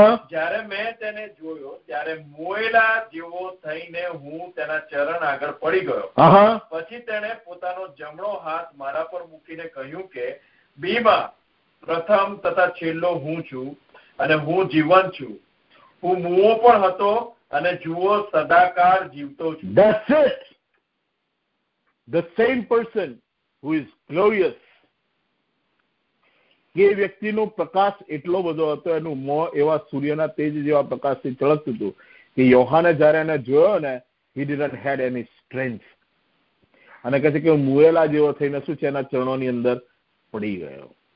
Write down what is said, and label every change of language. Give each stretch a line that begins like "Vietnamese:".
Gujarati: જ્યારે મેં તેને જોયો ત્યારે મોયલા જેવો થઈને હું તેના ચરણ આગળ પડી ગયો. પછી તેણે પોતાનો જમણો હાથ મારા પર મૂકીને કહ્યું કે બીમા પ્રથમ તથા છેલ્લો હું છું, અને હું જીવન છું, હું મૂવો પણ હતો અને જુઓ સદાકાળ જીવતો છું.
English: That's it. The same person who is glorious.
Gujarati: એ વ્યક્તિનો પ્રકાશ એટલો બધો હતો, એનું મોં એવા સૂર્યના તેજ જેવા પ્રકાશથી ચળકતું હતું કે યોહાને જયારે એને જોયો ને,
English: he didn't had any strength.
Gujarati: અને કહે છે કે મુએલા જેવો થઈને શું છે, એના ચરણોની અંદર પડી ગયો.